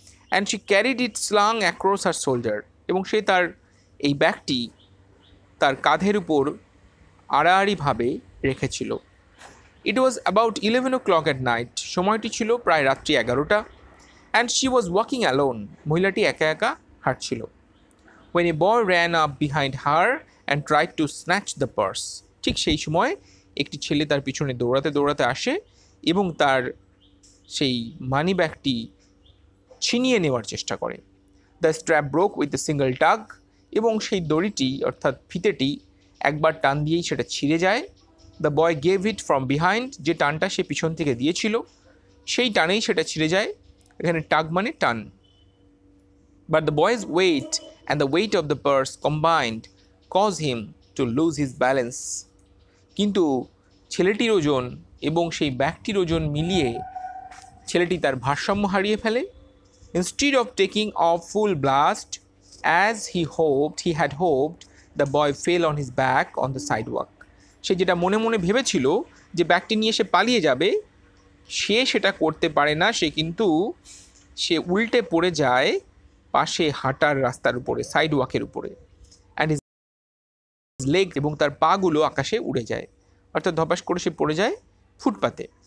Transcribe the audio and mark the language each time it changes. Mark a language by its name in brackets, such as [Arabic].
[English] and she carried it slung across her shoulder, [Bangla] এবং সে তার এই ব্যাগটি তার কাঁধের উপর আড়াআড়িভাবে রেখেছিল। [English] it was about 11 o'clock at night, [Bangla] সময়টি ছিল প্রায় রাত্রি 11টা। [English] and she was walking alone, [Bangla] মহিলাটি একা একা হাঁটছিল। [English] When a boy ran up behind her and tried to snatch the purse. [Bangla] ঠিক সেই সময় একটি ছেলে তার পিছনে দৌড়াতে দৌড়াতে আসে এবং তার সেই মানি ব্যাগটি ছিনিয়ে নেওয়ার চেষ্টা করে। [English] The strap broke with a single tug, [Bangla] এবং সেই দড়িটি অর্থাৎ ফিতেটি একবার টান দিয়েই সেটা ছিঁড়ে যায়। [English] The boy gave it from behind, [Bangla] যে টানটা সে পিছন থেকে দিয়েছিল সেই টানেই সেটা ছিঁড়ে যায়। এখানে টাগ মানে টান। [English] But the boy's weight and the weight of the purse combined caused him to lose his balance. [Bangla] কিন্তু ছেলেটির ওজন এবং সেই ব্যাগটির ওজন মিলিয়ে ছেলেটি তার ভারসাম্য হারিয়ে ফেলে। [English] Instead of taking off full blast, as he had hoped, the boy fell on his back on the sidewalk. [Bangla] সে যেটা মনে মনে ভেবেছিল যে ব্যাগটি নিয়ে সে পালিয়ে যাবে, সেটা করতে পারে না। সে কিন্তু উল্টে পড়ে যায় পাশে হাঁটার রাস্তার উপরে, সাইড ওয়াকের উপরে। [English] and his leg, [Bangla] এবং তার পাগুলো আকাশে উড়ে যায়, অর্থাৎ ধপাস করে সে পড়ে যায় ফুটপাতে।